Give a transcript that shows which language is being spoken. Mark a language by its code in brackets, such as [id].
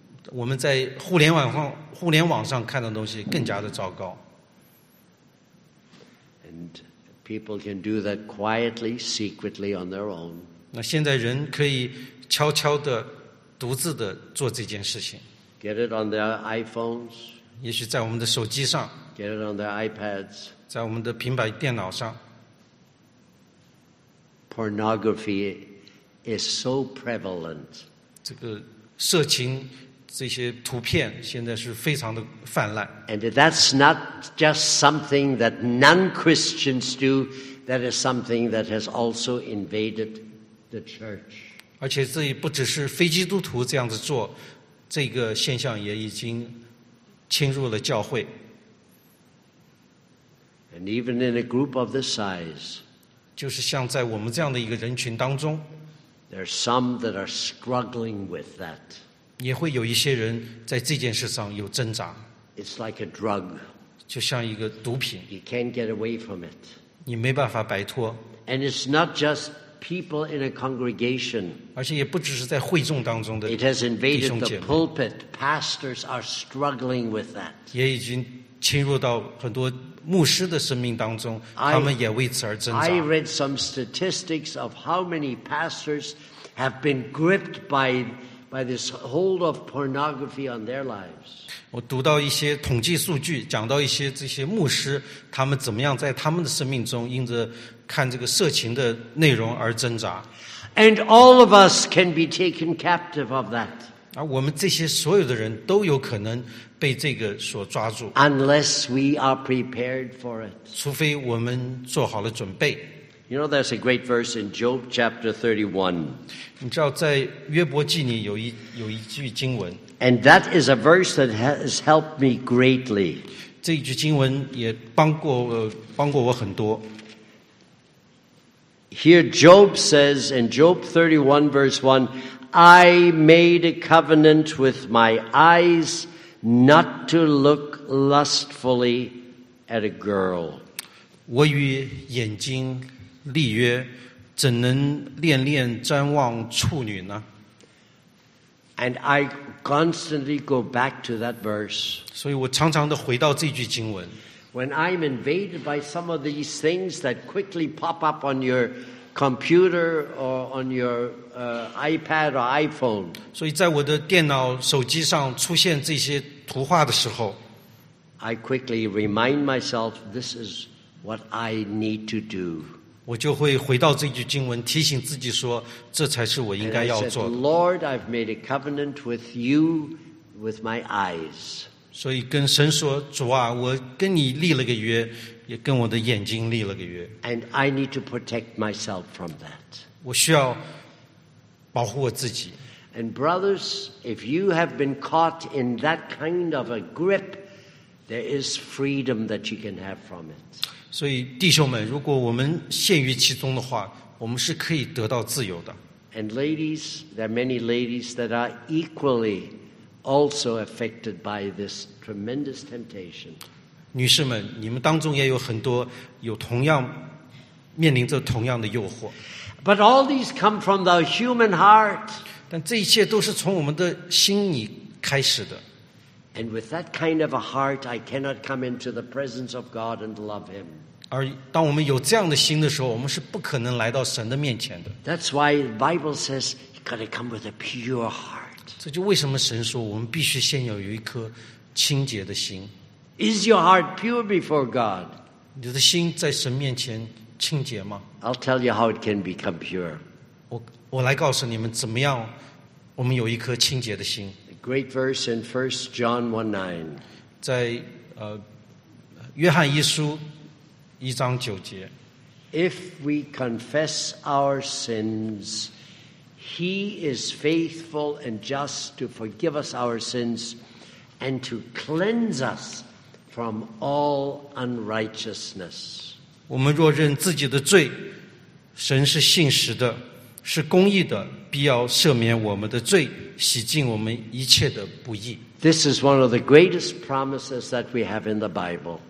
[zh] 我们在互联网上看到的东西更加的糟糕。 [en] And people can do that quietly, secretly on their own. [zh] 那现在人可以悄悄的、独自的做这件事情。 [en] Get it on their iPhones. [zh] 也许在我们的手机上。 [en] Get it on their iPads. [zh] 在我们的平板电脑上。 [en] Pornography is so prevalent. [zh] 这个色情这些图片现在是非常的泛滥。 [en] And that's not just something that non-Christians do. That is something that has also invaded the church. [zh] 而且这也不只是非基督徒这样子做。这个现象也已经侵入了教会。 [en] And even in a group of this size, [zh] 就是像在我们这样的一个人群当中， [en] there are some that are struggling with that. [zh] 也会有一些人在这件事上有挣扎。 [en] It's like a drug. [zh] 就像一个毒品。 [en] You can't get away from it. [zh] 你没办法摆脱。 [en] And it's not just people in a congregation. [zh] 而且也不只是在会众当中的弟兄姐妹。 [en] It has invaded the pulpit. Pastors are struggling with that. [zh] 也已经侵入到很多牧师的生命当中，他们也为此而挣扎。 [en] I read some statistics of how many pastors have been gripped by this hold of pornography on their lives. [zh] 我读到一些统计数据，讲到一些这些牧师，他们怎么样在他们的生命中因着看这个色情的内容而挣扎。 [en] And all of us can be taken captive of that. [zh] 而我们这些所有的人都有可能被这个所抓住。 [en] Unless we are prepared for it. [zh] 除非我们做好了准备。 [en] You know, there's a great verse in Job chapter 31. [zh] 你知道在约伯记里有一句经文。 [en] And that is a verse that has helped me greatly. [zh] 这一句经文也帮过我很多。 [en] Here Job says in Job 31 verse 1, I made a covenant with my eyes not to look lustfully at a girl. [zh] 我与眼睛立约，怎能恋恋瞻望处女呢？ [en] And I constantly go back to that verse. [zh] 所以我常常地回到这句经文。 [en] When I'm invaded by some of these things that quickly pop up on your computer or on your iPad or iPhone. [zh] 所以在我的电脑、手机上出现这些图画的时候， [en] I quickly remind myself this is what I need to do. [zh] 我就会回到这句经文，提醒自己说，这才是我应该要做的。 [en] And I said, Lord, I've made a covenant with you with my eyes. [zh] 所以跟神说，主啊，我跟你立了个约。也跟我的眼睛立了个约。 [en] And I need to protect myself from that. [zh] 我需要保护我自己。 [en] And brothers, if you have been caught in that kind of a grip, there is freedom that you can have from it. [zh] 所以弟兄们，如果我们陷于其中的话，我们是可以得到自由的。 [en] And ladies, there are many ladies that are equally also affected by this tremendous temptation. [zh] 女士们，你们当中也有很多有同样面临着同样的诱惑。 [en] But all these come from the human heart. [zh] 但这一切都是从我们的心里开始的。 [en] And with that kind of a heart, I cannot come into the presence of God and love Him. [zh] 而当我们有这样的心的时候，我们是不可能来到神的面前的。 [en] That's why the Bible says you got to come with a pure heart. [zh] 这就为什么神说我们必须先要有一颗清洁的心。 [en] Is your heart pure before God? [zh] 你的心在神面前清洁吗？ [en] I'll tell you how it can become pure. [zh] 我来告诉你们怎么样我们有一颗清洁的心。 [en] Great verse in 1 John 1:9. [zh] 在约翰一书一章九节。 [en] If we confess our sins, he is faithful and just to forgive us our sins and to cleanse us from all unrighteousness. [zh] 我们若认自己的罪，神是信实的，是公义的，必要赦免我们的罪，洗净我们一切的不义。 [en] This is one of the greatest promises that we have in the Bible.